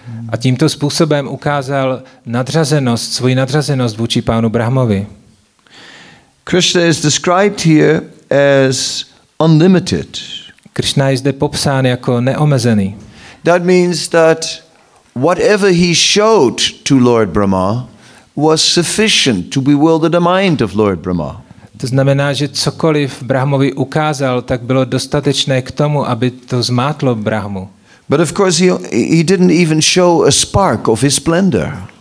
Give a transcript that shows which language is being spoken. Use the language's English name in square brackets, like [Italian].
[Czech] A tímto způsobem ukázal nadřazenost, svoji nadřazenost vůči pánu Brahmovi. [English] Krishna is described here as unlimited. [Czech] Krishna je zde popsán jako neomezený. [English] That means that whatever he showed to Lord Brahma was sufficient to bewilder the mind of Lord Brahma. [Czech] To znamená, že cokoliv Brahmovi ukázal, tak bylo dostatečné k tomu, aby to zmátlo Brahmu. [English] But of course he didn't even show a spark of his splendor.